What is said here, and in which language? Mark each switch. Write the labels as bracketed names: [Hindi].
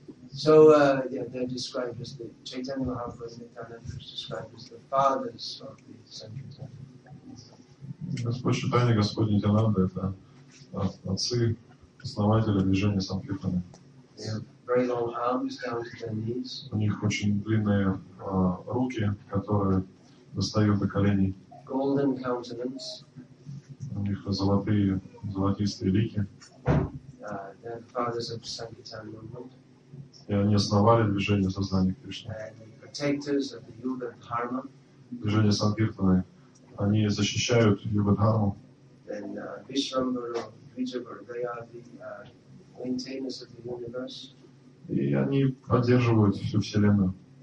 [English] So yeah, they're described as the Chaitanya Mahaprabhu and Nityananda is described as the fathers of the Sankirtan. [Russian] Господь Чайтанья, Господь Нитянанда — это отцы, основатели движения Санкиртана. [English] They have very long arms down to their knees. [Russian] У них очень длинные руки, которые достают до коленей. [English] Golden countenance. [Russian] У них золотые, золотистые лики. [English] They're the fathers of Sankirtan movement. [Russian] И они основали движение сознания Кришны. [English] Protectors of the Yuga Dharma. [Russian] Движение Санкиртаны. Они защищают Юга Дхарму. [English] Then Vishvambhara, Vijabhara, they are the maintainers of the universe. [Russian] И они поддерживают всю Вселенную.